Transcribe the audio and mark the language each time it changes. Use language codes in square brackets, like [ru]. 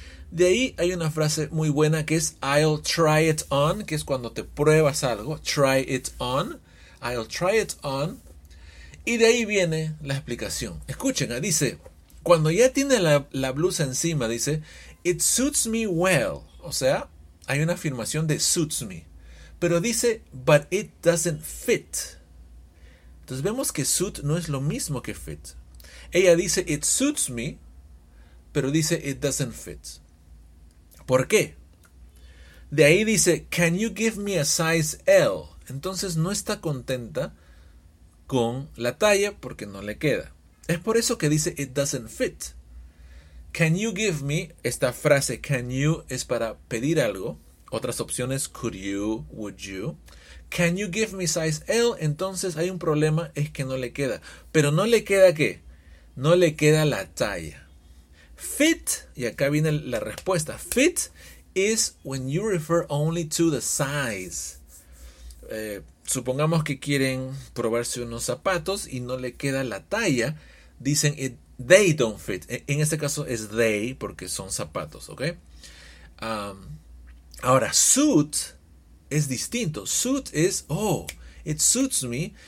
[es] De ahí hay una frase muy buena que es [en] I'll try it on, [es] que es cuando te pruebas algo. [en] Try it on. I'll try it on. [es] Y de ahí viene la explicación. Escuchen, dice, cuando ya tiene la blusa encima, dice, [en] it suits me well. [es] O sea, hay una afirmación de suits me. Pero dice, [en] but it doesn't fit. [es] Entonces vemos que suit no es lo mismo que fit. Ella dice, [en] it suits me, [es] pero dice, [en] it doesn't fit. [es] ¿Por qué? De ahí dice, [en] can you give me a size L? [es] Entonces no está contenta con la talla porque no le queda. Es por eso que dice, [en] it doesn't fit. Can you give me, [es] esta frase, can you, es para pedir algo. Otras opciones, [en] could you, would you. Can you give me size L? [es] Entonces hay un problema, es que no le queda. ¿Pero no le queda qué? No le queda la talla. Fit, y acá viene la respuesta. [en] Fit is when you refer only to the size. [es] Supongamos que quieren probarse unos zapatos y no le queda la talla. Dicen, [en] they don't fit. [es] En este caso es they porque son zapatos, ¿ok? Ahora, suit es distinto. Suit es, [en] oh, it suits me.